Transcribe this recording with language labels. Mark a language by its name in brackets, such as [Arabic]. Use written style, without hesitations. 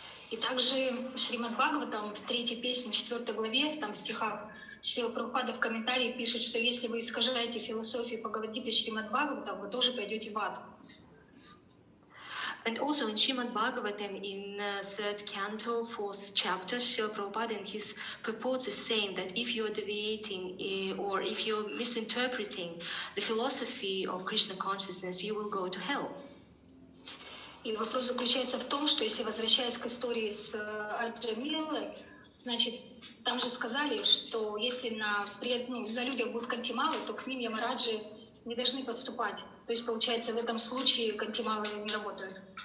[Russian] И также Шримад Бхагаватам в третьей песне, в четвертой главе, там в стихах, Шрила Прабхупада в комментарии пишет, что если вы искажаете философию Бхагавадгиты Шримад Бхагаватам, вы тоже пойдете в ад. [English] And also in Shrimad Bhagavatam, in the third canto, fourth chapter, Srila Prabhupada in his purports is saying that if you are deviating or if you are misinterpreting the philosophy of Krishna consciousness, you will go to hell. [Russian] И вопрос заключается в том, что если возвращаясь к истории с Арджуной, значит, там же сказали, что если на людях будут кантималы, то к ним ямараджи не должны подступать. То есть получается в этом случае кантималы не работают.